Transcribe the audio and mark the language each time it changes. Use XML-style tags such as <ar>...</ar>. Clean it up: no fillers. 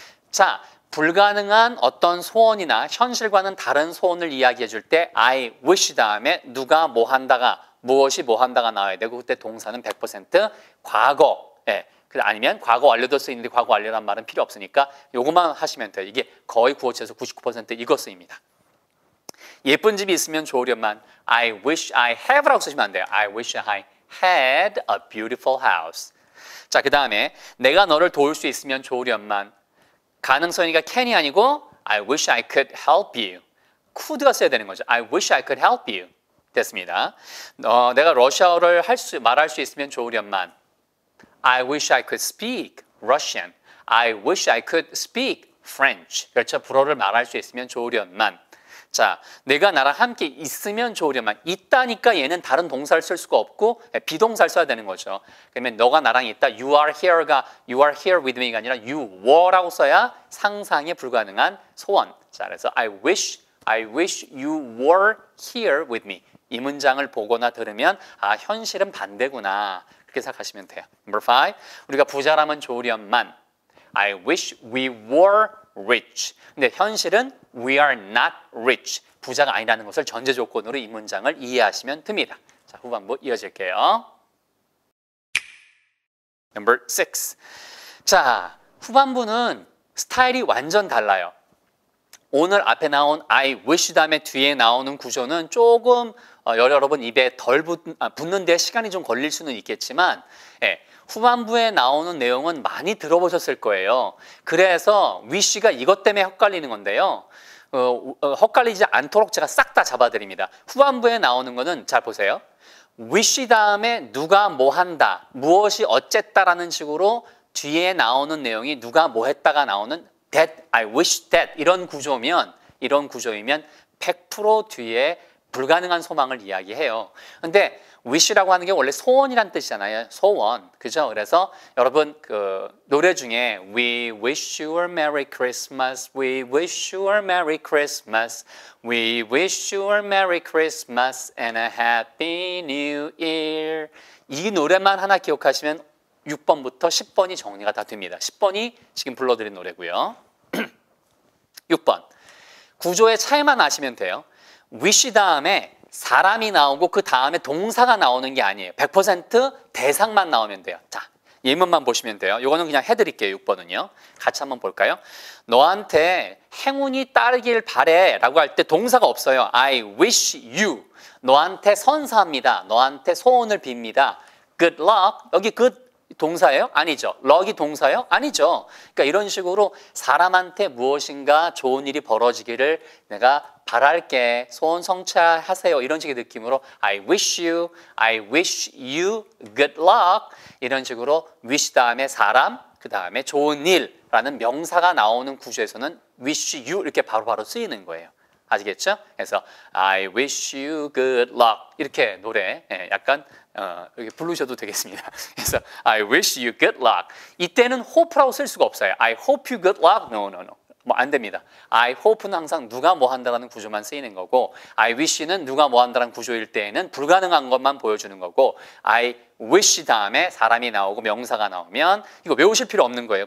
<ko>자, 불가능한 어떤 소원이나 현실과는 다른 소원을 이야기해 줄 때 I wish 다음에 누가 뭐 한다가 무엇이 뭐 한다가 나와야 되고 그때 동사는 100% 과거. 예. 아니면 과거 완료도 쓰이는데 과거 완료란 말은 필요 없으니까 이것만 하시면 돼요. 이게 거의 구어체에서 99% 이것 쓰입니다. 예쁜 집이 있으면 좋으련만</ko> <en>I wish I have</en> <ko>라고 쓰시면 안 돼요.</ko> <en>I wish I had a beautiful house.</en> <ko>자, 그 다음에 내가 너를 도울 수 있으면 좋으련만 가능성이니까 can이 아니고</ko> <en>I wish I could help you.</en> <ko>could가 써야 되는 거죠. I wish I could help you. 됐습니다. 내가 러시아어를 말할 수 있으면 좋으련만.</ko> <en>I wish I could speak Russian. I wish I could speak French.</en> <ko>그렇죠. 불어를 말할 수 있으면 좋으련만. 자, 내가 나랑 함께 있으면 좋으련만. 있다니까 얘는 다른 동사를 쓸 수가 없고 비동사를 써야 되는 거죠. 그러면 너가 나랑 있다.</ko> <en>You are here가 You are here with me가</en> <ko>아니라 You were라고 써야 상상에 불가능한 소원. 자, 그래서</ko> <en>I wish you were here with me.</en> <ko>이 문장을 보거나 들으면 아, 현실은 반대구나. 그렇게 생각하시면 돼요.</ko> <en>Number five,</en> <ko>우리가 부자라면 좋으련만.</ko> <en>I wish we were rich.</en> <ko>근데 현실은</ko> <en>we are not rich.</en> <ko>부자가 아니라는 것을 전제 조건으로 이 문장을 이해하시면 됩니다. 자, 후반부 이어질게요.</ko> <en>Number six.</en> <ko>자, 후반부는 스타일이 완전 달라요. 오늘 앞에 나온 I wish 다음에 뒤에 나오는 구조는 조금 여러분 입에 덜 붙는 데 시간이 좀 걸릴 수는 있겠지만 예, 후반부에 나오는 내용은 많이 들어보셨을 거예요. 그래서 wish가 이것 때문에 헷갈리는 건데요. 헷갈리지 않도록 제가 싹 다 잡아드립니다. 후반부에 나오는 거는 잘 보세요. wish 다음에 누가 뭐 한다, 무엇이 어쨌다라는 식으로 뒤에 나오는 내용이 누가 뭐 했다가 나오는 that,</ko> <en>I wish that</en> <ko>이런 구조이면 100% 뒤에 불가능한 소망을 이야기해요. 근데 wish라고 하는 게 원래 소원이란 뜻이잖아요. 소원. 그죠? 그래서 여러분 그 노래 중에</ko> <en>We wish you a Merry Christmas. We wish you a Merry Christmas. We wish you a Merry Christmas and a Happy New Year.</en> <ko>이 노래만 하나 기억하시면 6번부터 10번이 정리가 다 됩니다. 10번이 지금 불러드린 노래고요. 6번. 구조의 차이만 아시면 돼요. wish 다음에 사람이 나오고 그 다음에 동사가 나오는 게 아니에요. 100% 대상만 나오면 돼요. 자, 예문만 보시면 돼요. 이거는 그냥 해드릴게요. 6번은요. 같이 한번 볼까요? 너한테 행운이 따르길 바래 라고 할 때 동사가 없어요.</ko> <en>I wish you.</en> <ko>너한테 선사합니다. 너한테 소원을 빕니다.</ko> <en>Good luck.</en> <ko>여기 good 동사예요? 아니죠. 럭이 동사예요? 아니죠. 그러니까 이런 식으로 사람한테 무엇인가 좋은 일이 벌어지기를 내가 바랄게. 소원 성취하세요. 이런 식의 느낌으로</ko> <en>I wish you, I wish you good luck.</en> <ko>이런 식으로 wish 다음에 사람, 그 다음에 좋은 일라는 명사가 나오는 구조에서는 wish you 이렇게 바로 쓰이는 거예요. 아시겠죠? 그래서</ko> <en>I wish you good luck</en> <ko>이렇게 노래 약간 이렇게 부르셔도 되겠습니다.</ko> <en>그래서 I wish you good luck.</en> <ko>이때는 hope라고 쓸 수가 없어요.</ko> <en>I hope you good luck. No, no, no.</en> <ko>뭐 안 됩니다. I hope는 항상 누가 뭐 한다라는 구조만 쓰이는 거고 I wish는 누가 뭐 한다라는 구조일 때에는 불가능한 것만 보여주는 거고 I wish 다음에 사람이 나오고 명사가 나오면 이거 외우실 필요 없는 거예요.</ko>